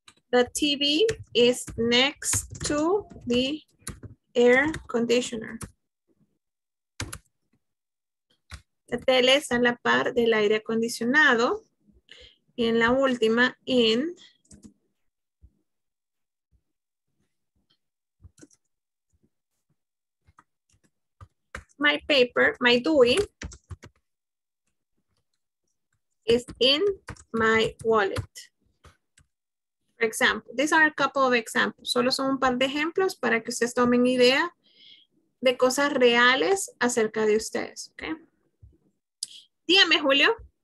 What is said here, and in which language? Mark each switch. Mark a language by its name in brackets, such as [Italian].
[English] The TV is next to the air conditioner. [Spanish] La tele está a la par del aire acondicionado. Y en la última, in. [English] My paper, my DUI, is in my wallet. For example, these are a couple of examples. [Spanish] Solo son un par de ejemplos para que ustedes tomen idea de cosas reales acerca de ustedes. Okay. Dígame, Julio.